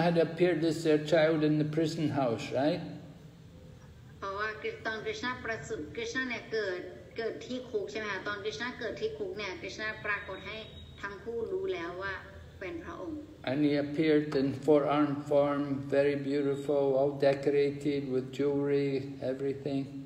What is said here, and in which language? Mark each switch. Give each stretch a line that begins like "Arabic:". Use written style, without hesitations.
English: had appeared as their child in the prison house, right? Krishna was born.
Thai: เกิดที่คุกใช่ไหมคะตอนกฤษณะเกิดที่คุกเนี่ยกฤษณะปรากฏให้ทั้งคู่รู้แล้วว่าเป็นพระองค์
English: And he appeared in forearm form very beautiful all decorated with jewelry everything